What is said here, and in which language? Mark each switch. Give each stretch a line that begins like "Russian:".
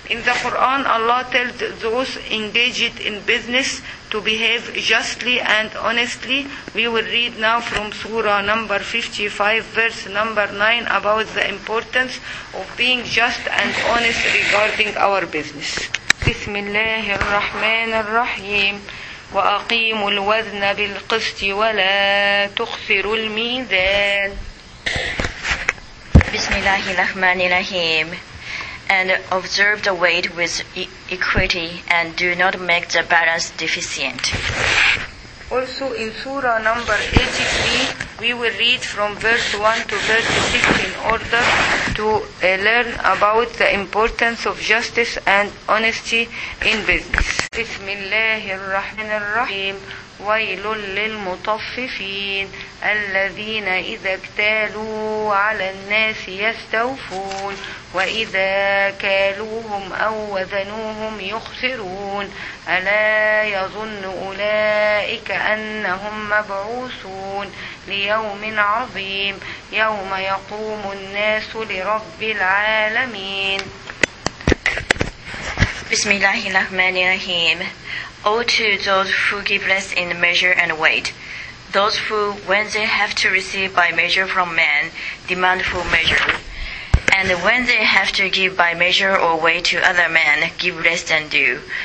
English: In the Quran, Allah tells those engaged in business to behave justly and honestly. We will read now from Surah number 55, verse number 9, about the importance of being just and honest regarding our business.
Arabic: بسم الله الرحمن الرحيم وأقيموا الوزن بالقسط ولا تخسروا الميزان بسم الله الرحمن الرحيم
English: and observe the weight with equity and do not make the balance deficient. Also in Surah number 83, we will read from verse 1 to verse 6 in order to learn about the importance of justice and honesty in business.
Arabic: بسم الله الرحمن الرحيم ويل للمطففين الذين إذا اكتالوا على الناس يستوفون وإذا كالوهم أو وزنوهم يخسرون ألا يظن أولئك أنهم مبعوثون ليوم عظيم يوم يقوم الناس لرب العالمين Bismillahir Rahmanir Rahim.
English: Oh, to those who give less in measure and weight, those who, when they have to receive by measure from man, demand full measure, and when they have to give by measure or weight to other men, give less than due.